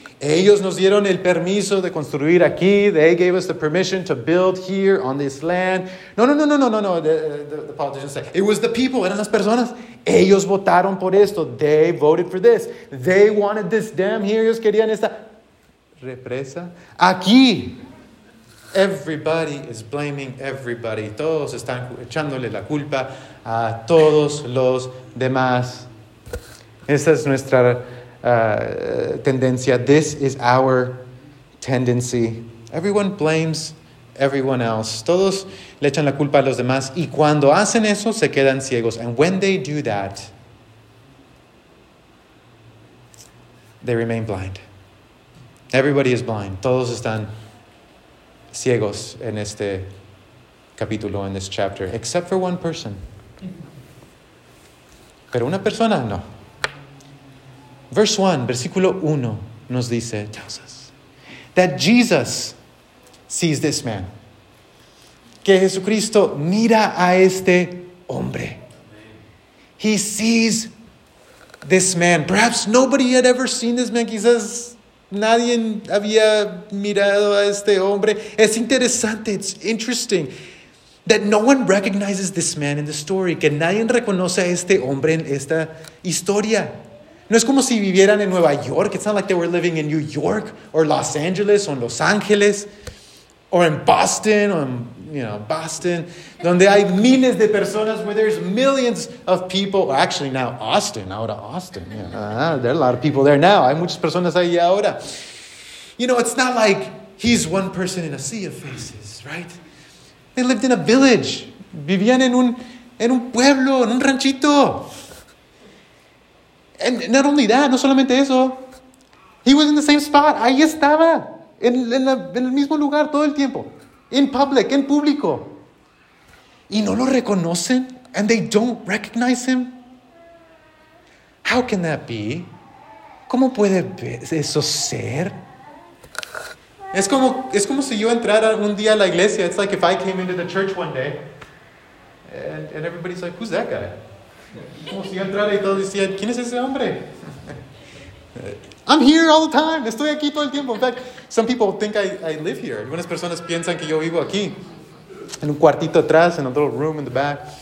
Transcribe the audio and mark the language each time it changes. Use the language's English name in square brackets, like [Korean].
[Spanish] Ellos nos dieron el permiso de construir aquí. [English] They gave us the permission to build here on this land. No. The politicians say, it was the people. [Spanish] Eran las personas. Ellos votaron por esto. [English] They voted for this. They wanted this dam here. [Spanish] Ellos querían esta represa aquí. [English] Everybody is blaming everybody. [Spanish] Todos están echándole la culpa a todos los demás. Esa es nuestra tendencia. [English] This is our tendency. Everyone blames everyone else. [Spanish] Todos le echan la culpa a los demás. Y cuando hacen eso, se quedan ciegos. [English] And when they do that, they remain blind. Everybody is blind. [Spanish] Todos están ciegos en este capítulo, en [English] this chapter, except for one person. [Spanish] Pero una persona, no. [English] Verse 1, [Spanish] versículo 1, nos dice, [English] tells us, that Jesus sees this man. [Spanish] Que Jesucristo mira a este hombre. [English] He sees this man. Perhaps nobody had ever seen this man. [Spanish] Quizás nadie había mirado a este hombre. Es interesante. [English] It's interesting that no one recognizes this man in the story. [Spanish] Que nadie reconoce a este hombre en esta historia. No es como si vivieran en Nueva York. [English] It's not like they were living in New York or Los Angeles or Los Angeles or in Boston or, Boston, [Spanish] donde hay miles de personas, [English] where there's millions of people. Well, actually, now Austin, [Spanish] ahora Austin. [English] Yeah. There are a lot of people there now. [Spanish] Hay muchas personas ahí ahora. [English] You know, it's not like he's one person in a sea of faces, right? They lived in a village. [Spanish] Vivían en un pueblo, en un ranchito. [English] And not only that, [Spanish] no solamente eso, [English] he was in the same spot. [Spanish] Ahí estaba, en el mismo lugar todo el tiempo. [English] In public, [Spanish] en público. Y no lo reconocen, [English] and they don't recognize him. How can that be? [Spanish] ¿Cómo puede eso ser? Es como si yo entrara un día a la iglesia. [English] It's like if I came into the church one day, and everybody's like, who's that guy? I'm here all the time. [Spanish] Estoy aquí todo el tiempo. [English] In fact, some people think I live here. [Spanish] Algunas personas piensan que yo vivo aquí. En un cuartito atrás, [English] in a little room in the back.